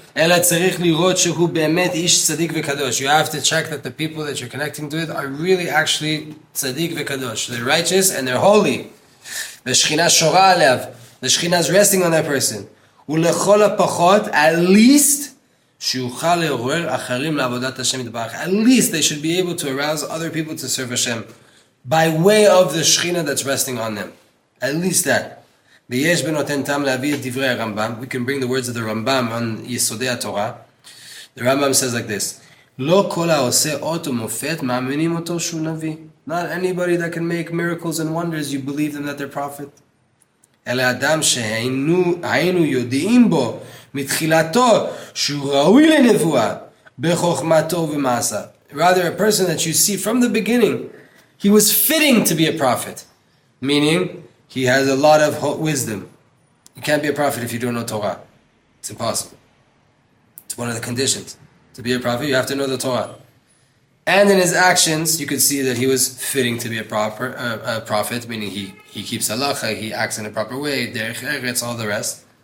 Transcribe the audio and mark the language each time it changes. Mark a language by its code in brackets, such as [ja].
[he] אלא צריך לראות שהוא באמת איש צדיק וקדוש. [en] You have to check that the people that you're connecting to it are really actually צדיק וקדוש. They're righteous and they're holy. [he] והשכינה שורה עליו. [en] The Shekhinah is resting on that person. [he] ולכל הפחות, [en] at least, [he] שיוכל לעורר אחרים לעבודת השם יתברך. [en] At least, they should be able to arouse other people to serve Hashem by way of the Shekhinah that's resting on them. At least that. [he] ויש בנותן טעם להביא את דברי הרמב״ם. [en] We can bring the words of the Rambam on יסודי התורה. The Rambam says like this. [he] לא כל העושה אות ומופת מאמינים אותו שהוא נביא. [en] Not anybody that can make miracles and wonders, you believe them that they're prophet. [he] אלא אדם שהיינו יודעים בו מתחילתו שהוא ראוי לנבואה בחוכמתו ומעשה. [en] Rather a person that you see from the beginning, he was fitting to be a prophet. Meaning, he has a lot of wisdom. You can't be a prophet if you don't know Torah. It's impossible. It's one of the conditions. To be a prophet, you have to know the Torah. And in his actions, you could see that he was fitting to be a prophet, meaning he keeps halacha, he acts in a proper way, derech eretz, all the rest.